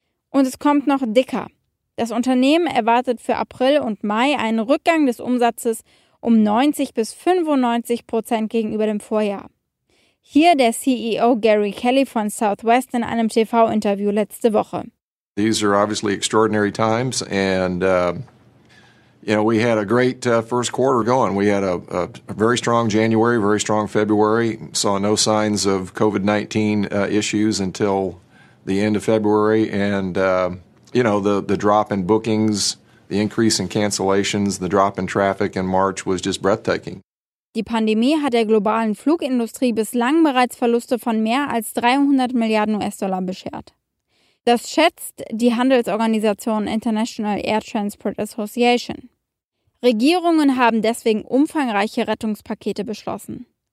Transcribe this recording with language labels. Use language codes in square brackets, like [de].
[de] Und es kommt noch dicker. Das Unternehmen erwartet für April und Mai einen Rückgang des Umsatzes um 90-95% gegenüber dem Vorjahr. Hier der CEO Gary Kelly von Southwest in einem TV-Interview letzte Woche. [en] These are obviously extraordinary times and you know, we had a great first quarter going. We had a very strong January, very strong February, saw no signs of COVID-19 issues until the end of February. And, you know, the drop in bookings, the increase in cancellations, the drop in traffic in March was just breathtaking. [de] Die Pandemie hat der globalen Flugindustrie bislang bereits Verluste von mehr als 300 Milliarden US-Dollar beschert. Das schätzt die Handelsorganisation International Air Transport Association. Regierungen haben deswegen umfangreiche Rettungspakete beschlossen.